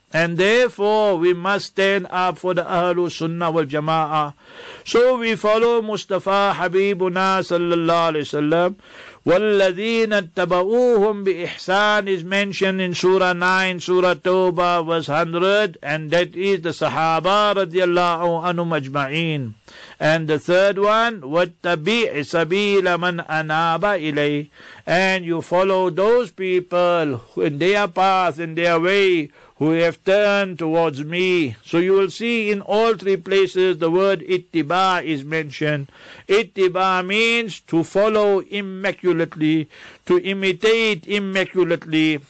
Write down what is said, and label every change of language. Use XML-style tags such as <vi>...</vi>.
<en>And therefore, we must stand up for the Ahlu Sunnah wal Jama'ah. So we follow Mustafa Habibuna sallallahu alayhi wa sallam.</en> <ar>وَالَّذِينَ اتَّبَعُوهُمْ بِإِحْسَانِ</ar> <en>is mentioned in Surah 9, Surah Tawbah, verse 100. And that is the Sahaba radiallahu anhu majma'in. And the third one,</en> <ar>وَاتَّبِعِ سَبِيلَ مَنْ أَنَابَ إِلَيْهِ.</ar> <en>And you follow those people in their path, in their way, who have turned towards me. So you will see in all three places the word ittiba is mentioned. Ittiba means to follow immaculately, to imitate immaculately.</en>